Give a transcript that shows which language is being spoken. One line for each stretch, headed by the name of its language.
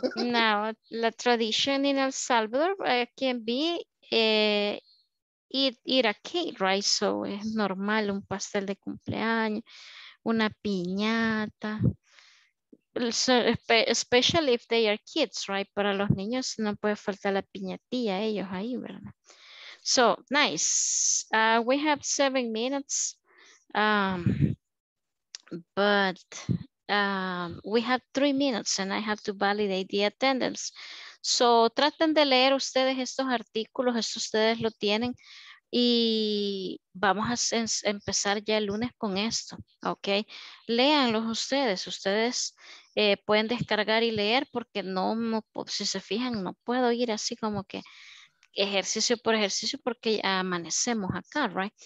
English: No, la tradición en El Salvador can be eat a cake, right?
Spanish: So es normal un pastel de cumpleaños, una piñata. So, especially if they are kids, right? Para los niños no puede faltar la piñatilla, ellos ahí, ¿verdad?
English: So, nice. We have 7 minutes, but we have 3 minutes and I have to validate the attendance.
Spanish: So, traten de leer ustedes estos artículos, esto ustedes lo tienen, y vamos a empezar ya el lunes con esto, ¿ok? Léanlos ustedes, pueden descargar y leer porque no, si se fijan, no puedo ir así como que ejercicio por ejercicio porque amanecemos acá, right?